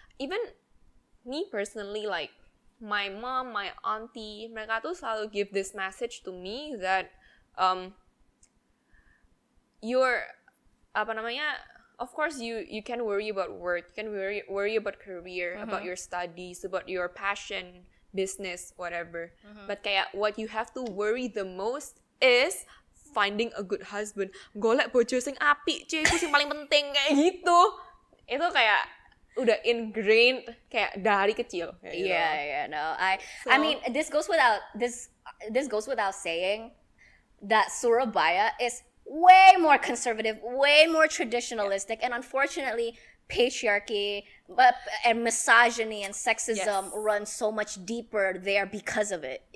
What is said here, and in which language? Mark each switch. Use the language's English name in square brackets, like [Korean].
[English] Even me personally, like, my mom, my auntie, [Indonesian] mereka tuh selalu [English] give this message to me that of course you can worry about work, you can worry about career, mm-hmm. about your studies, about your passion, business, whatever. Mm-hmm. But kayak what you have to worry the most is finding a good husband. [Javanese] Golek bojo sing apik, cuy, itu sing paling penting [Indonesian] kayak gitu. Itu kayak udah ingrained kayak dari kecil. [English] This goes without saying that Surabaya is way more conservative, way more traditionalistic, and unfortunately patriarchy and misogyny and sexism run so much deeper there because of it.